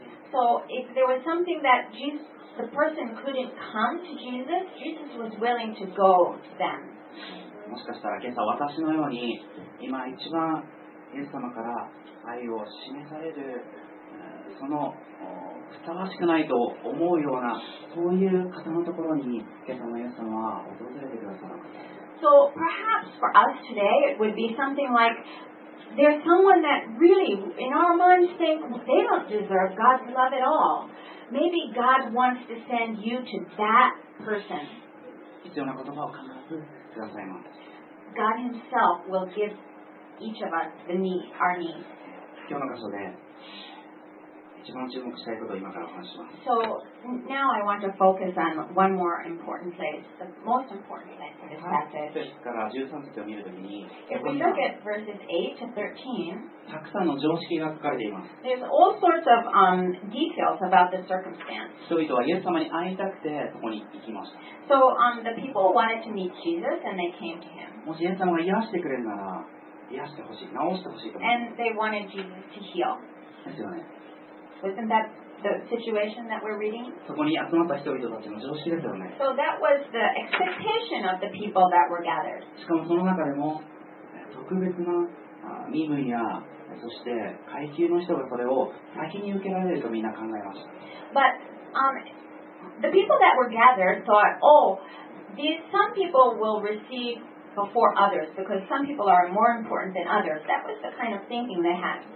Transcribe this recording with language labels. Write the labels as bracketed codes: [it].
[en] So if there was something that Jesus, the person couldn't come to Jesus, Jesus was willing to go to them. [ja] もしかしたら今朝私のように今一番イエス様から愛を示されるそのふさわしくないと思うようなそういう方のところに今朝のイエス様は訪れてくださる。 [en] So perhaps for us today it would be something like there's someone that really in our minds think they don't deserve God's love at all. Maybe God wants to send you to that person. [ja] 必要な言葉を必ずくださいます。 [en] God himself will give each of us the need, our need. [ja] 今日の箇所で一番注目したいことを今からお話します。 [en] So now I want to focus on one more important place, the most important place in this passage. [ja] ですから13節を見るときに、 [en] If we look at verses 8 to 13, [ja] たくさんの常識が書かれています。 [en] There's all sorts of details about the circumstance. [ja] 人々はイエス様に会いたくてそこに行きました。 [en] So the people wanted to meet Jesus and they came to him. [ja] もしイエス様が癒してくれるなら、癒してほしい、治してほしいと。 [en] And they wanted Jesus to heal. [ja] ですよね。 [en] Wasn't that the situation that we're reading? [ja] そこに集まった人々たちの常識ですよね。 [en] So that was the expectation of the people that were gathered. [ja] しかもその中でも特別な身分やそして階級の人がそれを先に受けられるとみんな考えました。 [en] But the people that were gathered thought, oh, these some people will receive before others because some people are more important than others. That was the kind of thinking they had.